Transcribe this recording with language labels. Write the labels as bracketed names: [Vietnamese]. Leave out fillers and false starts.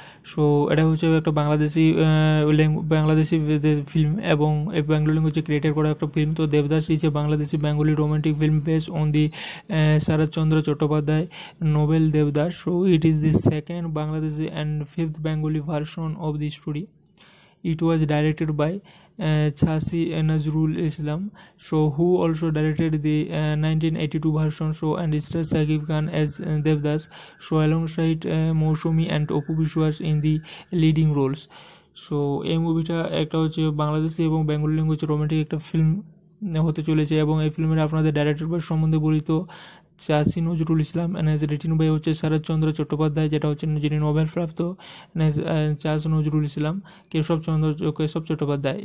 [Bangla] So এটা হচ্ছে একটা বাংলাদেশি ফিল্ম এবং এই বেঙ্গলি ল্যাঙ্গুয়েজে ক্রিয়েটেড করা একটা ফিল্ম। [English] তো Devdas is a Bangladeshi Bengali romantic film based on the Saratchandra Chattopadhyay novel Devdas. So it is the second Bangladeshi and fifth Bengali version of the story. It was directed by Chashi Nazrul Islam, so who also directed the 1982 version. So and stars Shakib Khan as Devdas, so alongside Moushumi and Apu Biswas in the leading roles. [Bangla] So এই মুভিটা একটা হচ্ছে বাংলাদেশি এবং Bengali language romantic একটা film হতে চলেছে। এবং এই ফিল্মের আপনাদের ডাইরেক্টর বা সম্বন্ধে বলি, তো চাষি Nazrul Islam [English] এনএস written by [Bangla] হচ্ছে শরৎচন্দ্র চট্টোপাধ্যায়, যেটা হচ্ছে যিনি নোবেল প্রাপ্ত চাষি নজরুল ইসলাম, কেশব চট্টোপাধ্যায়।